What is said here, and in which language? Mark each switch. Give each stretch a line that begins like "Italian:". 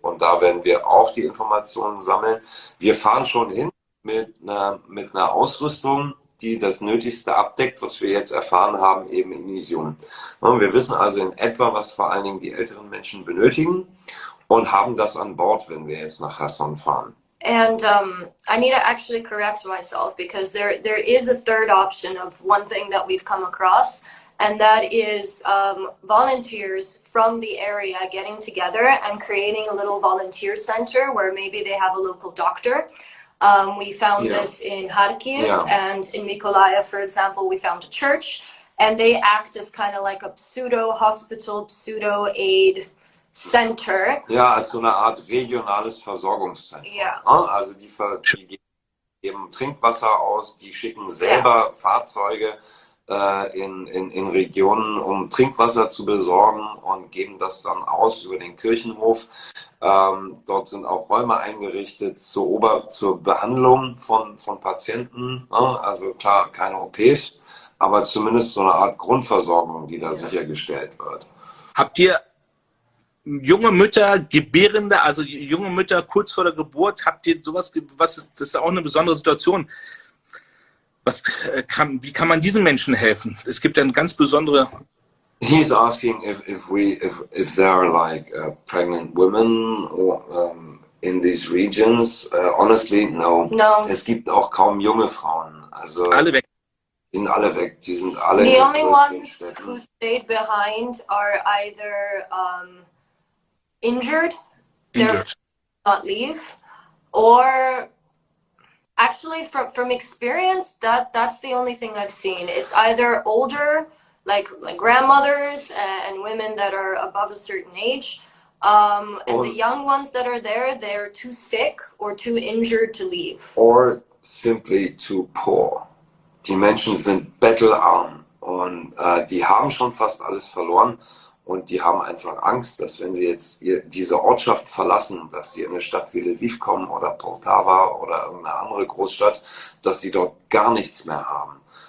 German: Und da werden wir auch die Informationen sammeln. Wir fahren schon hin mit einer Ausrüstung, die das Nötigste abdeckt, was wir jetzt erfahren haben, eben in Isium. Und wir wissen also in etwa, was vor allen Dingen die älteren Menschen benötigen. Und haben das an Bord, wenn wir jetzt nach Cherson fahren.
English: And I need to actually correct myself, because there is a third option of one thing that we've come across, and that is volunteers from the area getting together and creating a little volunteer center where maybe they have a local doctor. We found this in Kharkiv and in Mykolaiv, for example, we found a church, and they act as kind of like a pseudo-hospital, pseudo-aid Center.
German: Ja, als so eine Art regionales Versorgungszentrum.
English: Yeah.
German: Also die geben Trinkwasser aus, die schicken selber Fahrzeuge in Regionen, um Trinkwasser zu besorgen und geben das dann aus über den Kirchenhof. Dort sind auch Räume eingerichtet zur Behandlung von Patienten. Also klar, keine OPs, aber zumindest so eine Art Grundversorgung, die da sichergestellt wird. Habt ihr junge Mütter, Gebärende, also junge Mütter kurz vor der Geburt, habt ihr sowas, das ist ja auch eine besondere Situation. Wie kann man diesen Menschen helfen? Es gibt dann ganz besondere.
English: He's asking if there are like pregnant women or, in these regions. Honestly, no. No.
German: Es gibt auch kaum junge Frauen. Also alle weg. Die sind alle weg. Die sind alle
English: The only ones who stayed behind are either. Injured, they're not leave, or actually from experience that's the only thing I've seen. It's either older, like grandmothers and women that are above a certain age, and the young ones that are there, they're too sick or too injured to leave, or simply too poor.
German: Die Menschen sind bettelarm und die haben schon fast alles verloren. Und die haben einfach Angst, dass wenn sie jetzt diese Ortschaft verlassen, dass sie in eine Stadt wie Lviv kommen oder Poltava oder irgendeine andere Großstadt, dass sie dort gar nichts mehr haben.